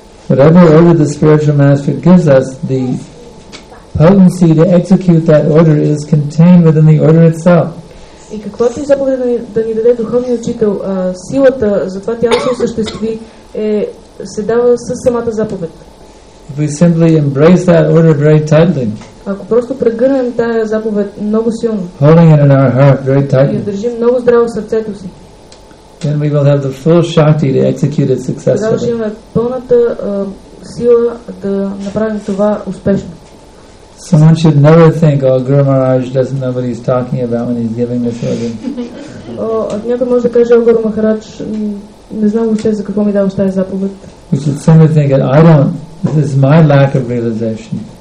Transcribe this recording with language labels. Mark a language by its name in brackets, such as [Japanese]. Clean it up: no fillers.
[English] Whatever order the spiritual master gives us, the potency to execute that order is contained within the order itself. [Bulgarian] И каквото и заповед да ни даде духовният учител, силата за това тяло се осъществи се дава със самата заповед. [English] If we simply embrace that order very tightly. [Bulgarian] Ако просто прегърнем тая заповед много силно. [English] Holding it in our heart very tightly. [Bulgarian] И държим много здраво сърцето си. [English] Then we will have the full shakti to execute it successfully. Someone should never think, oh, Guru Maharaj doesn't know what he's talking about when he's giving this order. [Bulgarian] Някой може да каже, Гуру Махарадж, не знам въобще за какво ми дава тази заповед. [English] We should simply think that I don't, this is my lack of realization.